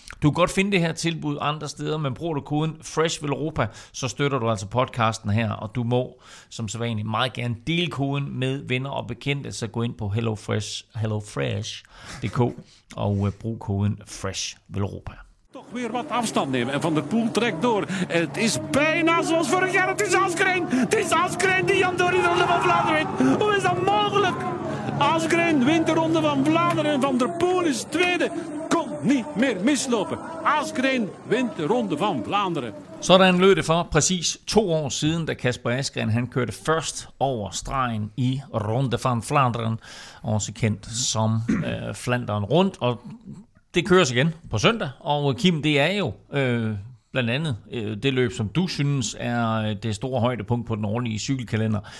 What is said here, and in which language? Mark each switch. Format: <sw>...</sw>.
<da>Du kan godt finde det her tilbud andre steder, men bruger du koden FRESHVILEUROPA, så støtter du altså podcasten her, og du må som sædvanligt meget gerne dele koden med venner og bekendte, så gå ind på hellofresh.dk og brug koden FRESHVILEUROPA.</da> <nl>Toch weer wat afstand nemen. En Van der Poel trekt door. Het is bijna zoals vorig jaar. Het is Asgreen. Het is Asgreen die Jan door de Ronde van Vlaanderen wint. Hoe is dat mogelijk? Asgreen wint de Ronde van Vlaanderen. Van der Poel is tweede. Kon niet meer mislopen. Asgreen wint de Ronde van Vlaanderen.</nl> <da>Sådan lød det for præcis 2 år siden, da Kasper Asgreen han kørte først over stregen i Ronde van Vlaanderen. Også kendt som Flanderen rundt. Og det køres igen på søndag, og Kim, det er jo blandt andet det løb, som du synes er det store højdepunkt på den årlige cykelkalender.</da>